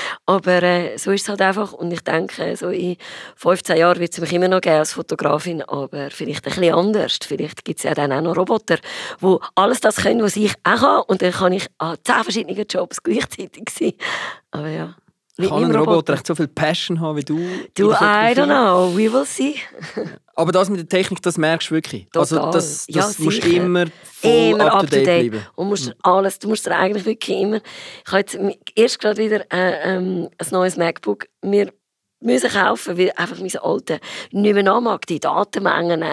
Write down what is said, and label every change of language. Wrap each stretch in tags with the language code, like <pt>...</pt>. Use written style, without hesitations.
<de>Aber so ist es halt einfach. Und ich denke, so in 15 Jahren wird es mich immer noch geben als Fotografin, aber vielleicht ein bisschen anders. Vielleicht gibt es ja dann auch noch Roboter, die alles das können, was ich auch kann. Und dann kann ich an 10 verschiedenen Jobs gleichzeitig sein. Aber ja. Kann ein Roboter recht so viel Passion haben wie du? Du,</de> <en>I don't know, we will see.</en> <de>Aber das mit der Technik, das merkst du wirklich. Total. Also das ja, musst du immer voll up to date bleiben. Und du musst eigentlich wirklich immer. Ich habe jetzt erst gerade wieder ein neues MacBook mir müssen kaufen, weil einfach mein Alter nicht mehr anmag, die Datenmengen.</de>